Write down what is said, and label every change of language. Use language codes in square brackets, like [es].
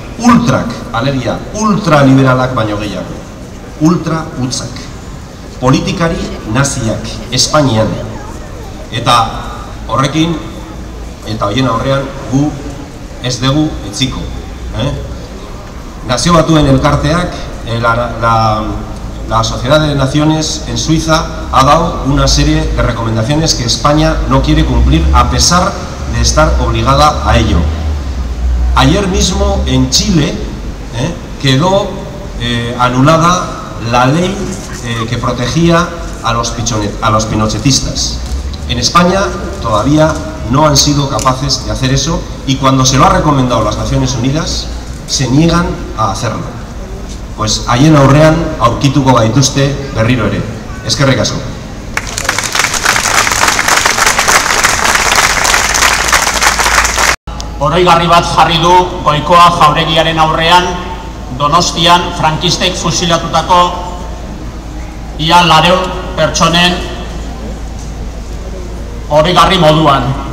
[eu] Ultrak, alegia, ultraliberalak baino gehiago. Ultra utzak. Politikari naziak, Espainian. Eta horrekin, eta hoien aurrean, gu ez dugu etziko. Nazio batuen elkarteak, [es] la Sociedad de Naciones en Suiza ha dado una serie de recomendaciones que España no quiere cumplir a pesar de estar obligada a ello. Ayer mismo en Chile quedó anulada la ley que protegía a los pinochetistas. En España todavía no han sido capaces de hacer eso y cuando se lo ha recomendado las Naciones Unidas se niegan a hacerlo. [eu] Pues haien aurrean aurkituko gaituzte berriro ere. Eskerrik asko. Oroigarri bat jarri du Goikoa jauregiaren aurrean Donostian frankistek fusilatutako ia 400 pertsonen oroigarri moduan.